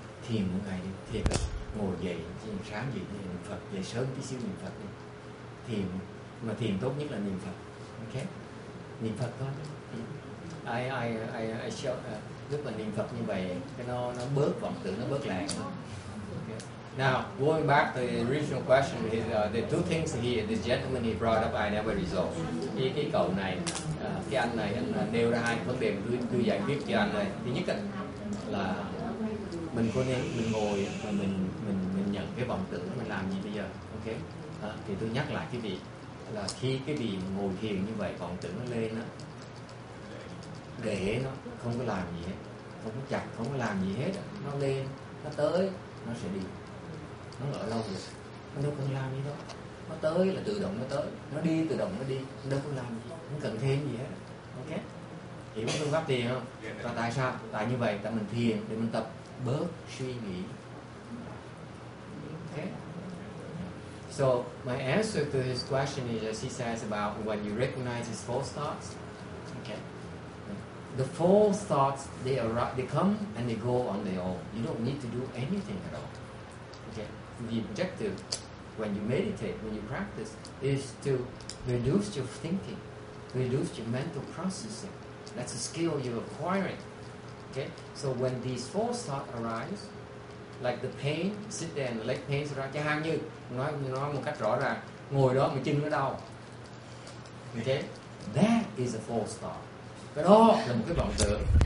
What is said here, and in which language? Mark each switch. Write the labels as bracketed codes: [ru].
[vi] Thiền một ngày đi, thiền ngồi dậy, thiền sáng dậy thiền Phật, dậy sớm tí xíu niệm Phật đi. Thiền, mà thiền tốt nhất là niệm Phật. Ok? Niệm Phật thôi. [en] I show, [vi] lúc mà niệm Phật như vậy, cái nó bớt vọng tưởng, nó bớt lạc. [en] Now, going back to the original question, the two things here, this gentleman he brought up, I never resolved. [vi] Cái cậu này, cái anh này, anh nêu ra hai vấn đề tôi giải quyết cho anh này. Thứ nhất là mình có nên mình ngồi và mình nhận cái vọng tưởng, mình làm gì bây giờ? Ok? Thì tôi nhắc lại cái gì? Là khi cái gì ngồi thiền như vậy, vọng tưởng nó lên á, để nó không có làm gì hết, không có chặt, không có làm gì hết, nó lên, nó tới, nó sẽ đi. Nó ở lâu rồi, nó đâu cần làm gì đâu. Nó tới là tự động nó tới, nó đi tự động nó đi, nó đâu cần làm gì, không cần thêm gì hết. Ok? Hiểu phương pháp thiền không? Và tại sao? Tại như vậy, tại mình thiền để mình tập bớt suy nghĩ. Ok? [en] So my answer to his question is, as he says about when you recognize his false thoughts. Okay. The false thoughts, they come and they go on their own. You don't need to do anything at all. The objective when you meditate, when you practice, is to reduce your thinking, reduce your mental processing. That's a skill you're acquiring. Okay? So when these false thoughts arise, like the pain, sit there and the leg pain arise. [vi] Chẳng hạn như, nói một cách rõ ràng, ngồi đó mà chân nó đau. Okay? [en] That is a false thought. [vi] Cái đó là một cái vọng tưởng.